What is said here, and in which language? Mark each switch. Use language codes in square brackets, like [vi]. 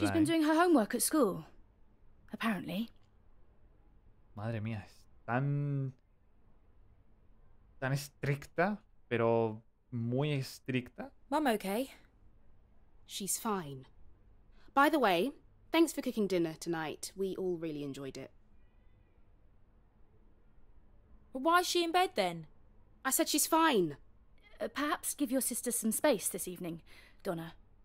[en] She's been doing her homework at school, apparently. [es] Madre mía, es tan estricta, pero muy estricta. [en] Mom, okay? She's fine. By the way, thanks for cooking dinner tonight. We all really enjoyed it. But why is she in bed then? I said she's fine. Perhaps give your sister some space this evening, Donna.